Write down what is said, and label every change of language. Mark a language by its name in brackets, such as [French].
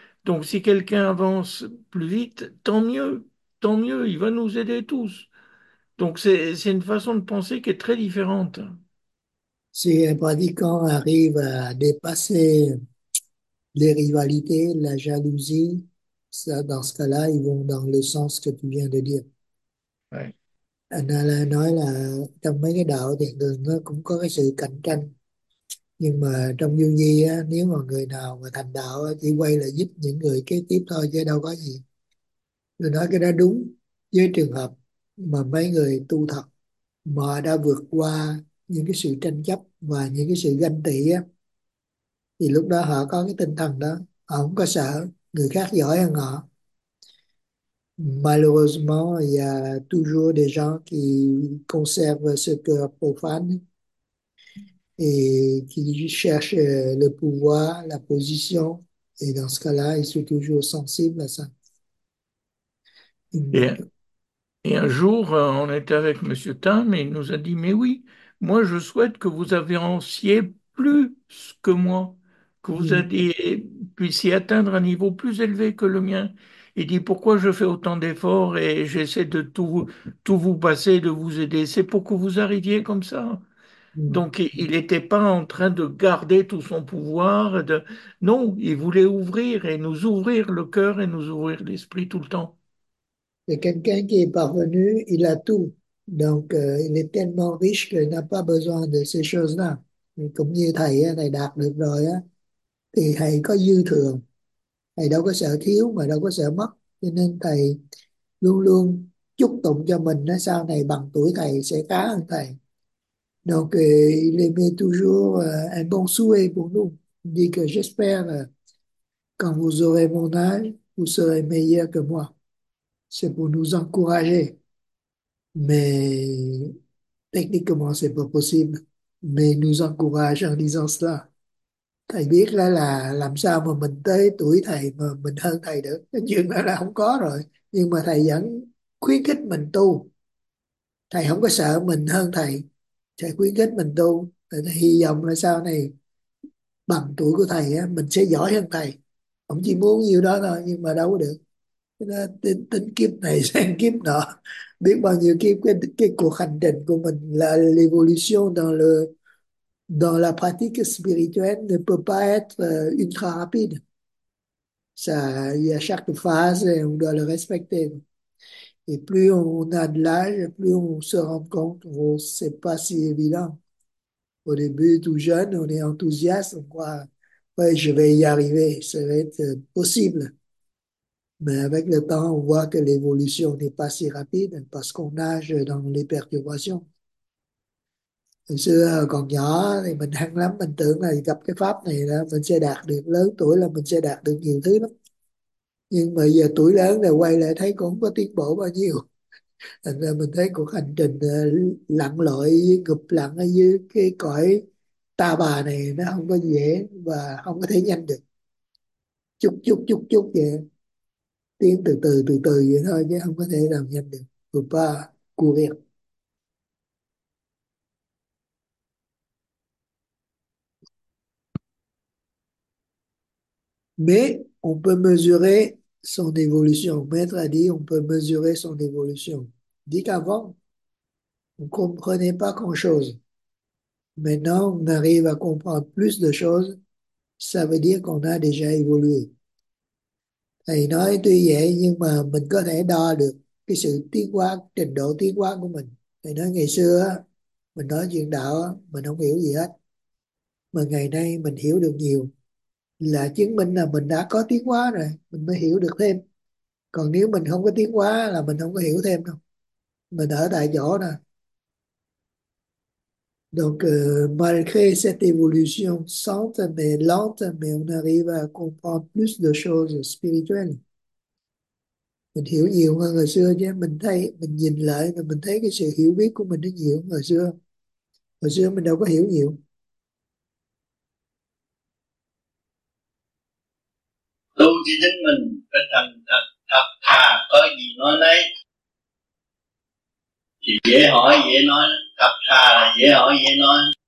[French] Donc, si quelqu'un avance plus vite, tant mieux, il va nous aider tous. Donc, c'est une façon de penser qui est très différente. Si un pratiquant arrive à dépasser les rivalités, la jalousie, ça, dans ce cas-là, ils vont dans le sens que tu viens de dire. [Vietnamese] Anh Alain nói là trong mấy cái đạo thì thường nó cũng có cái sự cạnh tranh. Nhưng mà trong vô vi á, nếu mà người nào mà thành đạo á, chỉ quay là giúp những người kế tiếp thôi chứ đâu có gì. Tôi nói cái đó đúng với trường hợp mà mấy người tu thật mà đã vượt qua những cái sự tranh chấp và những cái sự ganh tị á, thì lúc đó họ có cái tinh thần đó, họ không có sợ người khác giỏi hơn họ. [French] Malheureusement, il y a toujours des gens qui conservent ce cœur profane et qui cherchent le pouvoir, la position, et dans ce cas-là, ils sont toujours sensibles à ça. Et un jour, on était avec M. Tam et il nous a dit, mais oui, moi je souhaite que vous avanciez plus que moi, que vous puissiez atteindre un niveau plus élevé que le mien. Il dit, pourquoi je fais autant d'efforts et j'essaie de tout vous passer, de vous aider? C'est pour que vous arriviez comme ça. Donc il n'était pas en train de garder tout son pouvoir. Non, il voulait ouvrir et nous ouvrir le cœur et nous ouvrir l'esprit tout le temps. C'est quelqu'un qui est parvenu, il a tout. Donc, il est tellement riche qu'il n'a pas besoin de ces choses-là. [Vietnamese] Cũng như thầy á, thầy đạt được rồi á, thì thầy có dư thừa, thầy đâu có sợ thiếu mà đâu có sợ mất, cho nên thầy luôn luôn chúc tụng cho mình nó sau này bằng tuổi thầy sẽ khá hơn thầy. [French] Donc il aimait toujours un bon souhait pour nous, il dit que j'espère quand vous aurez mon âge vous serez meilleur que moi, c'est pour nous encourager, mais techniquement c'est pas possible, mais il nous encourage en disant cela. [Vietnamese] Thầy biết là làm sao mà mình tới tuổi thầy mà mình hơn thầy được, cái chuyện đó là không có rồi, nhưng mà thầy vẫn khuyến khích mình tu, thầy không có sợ mình hơn thầy, thầy khuyến khích mình tu, thầy hy vọng là sau này bằng tuổi của thầy á, mình sẽ giỏi hơn thầy, ông chỉ muốn nhiều đó thôi nhưng mà đâu có được. Nên tính tính kiếp này sang kiếp nọ, biết bao nhiêu kiếp, cái cuộc hành trình của mình là [French] l'évolution dans le dans la pratique spirituelle ne peut pas être ultra rapide. Ça, il y a chaque phase et on doit le respecter. Et plus on a de l'âge, plus on se rend compte que bon, c'est pas si évident. Au début, tout jeune, on est enthousiaste, on croit, ouais, je vais y arriver, ça va être possible. Mais avec le temps, on voit que l'évolution n'est pas si rapide parce qu'on nage dans les perturbations. [Vietnamese] Hồi xưa còn nhỏ thì mình hăng lắm, mình tưởng là gặp cái pháp này là mình sẽ đạt được, lớn tuổi là mình sẽ đạt được nhiều thứ lắm. Nhưng mà giờ tuổi lớn này quay lại thấy cũng không có tiến bộ bao nhiêu. Thành ra mình thấy cuộc hành trình lặn lội, gục lặn ở dưới cái cõi ta bà này nó không có dễ và không có thể nhanh được. Chút chút chút chút vậy. Tiến từ từ vậy thôi chứ không có thể làm nhanh được. Vượt qua cua việc. [French] Mais on peut mesurer son évolution. Maître a dit, on peut mesurer son évolution. Dit qu'avant, on ne comprenait pas grand-chose. Maintenant, on arrive à comprendre plus de choses. Ça veut dire qu'on a déjà évolué. [Vietnamese] Thầy nói tuy vậy nhưng mà mình có thể đo được cái sự tiến hóa, trình độ tiến hóa của mình. Thầy nói ngày xưa mình nói chuyện đạo mình không hiểu gì hết. Mà ngày nay mình hiểu được nhiều là chứng minh là mình đã có tiến hóa rồi, mình mới hiểu được thêm. Còn nếu mình không có tiến hóa là mình không có hiểu thêm đâu. Mình ở tại chỗ nè. [French] Donc, malgré cette évolution, sans mais lente, mais on arrive à comprendre plus de choses spirituelles. [Vietnamese] Mình hiểu nhiều hơn ngày xưa chứ. Mình thấy, mình nhìn lại, mình thấy cái sự hiểu biết của mình nó nhiều hơn ngày xưa. Ngày xưa mình đâu có hiểu nhiều. Tu chỉ chính mình phải thành thật thật thà, có gì nói đấy thì dễ hỏi dễ nói, thật thà là dễ hỏi dễ nói.